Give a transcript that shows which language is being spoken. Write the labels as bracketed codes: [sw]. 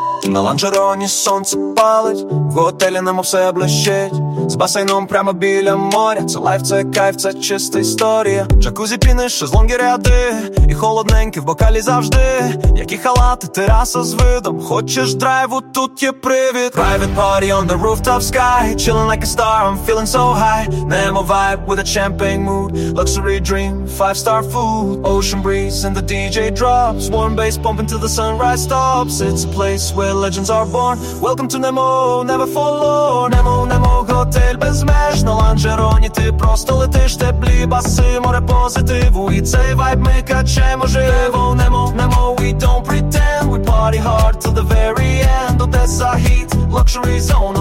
[uk] На ланжероні сонце палить, в готелі нам усе блищить. З басейном прямо біля моря, це лайф, це кайф, це чиста історія. Джакузі піни, шезлонги ряди, і холодненькі в бокалі завжди. Які халати, тераса з видом, хочеш драйву, тут є привід. [en] Private party on the rooftop sky, chillin' like a star, I'm feeling so high. Nemo vibe with a champagne mood, luxury dream, five star food. Ocean breeze and the DJ drops, warm bass pumping till the sunrise stops. It's a place where legends are born. Welcome to Nemo, never follow. [uk] Nemo, Nemo, готель безмеж. На ланжероні ти просто летиш. Теплі баси, море позитиву. І цей вайб ми качаємо живо. [en] Nemo, Nemo, we don't pretend. We party hard till the very end. Odessa heat, luxury zone.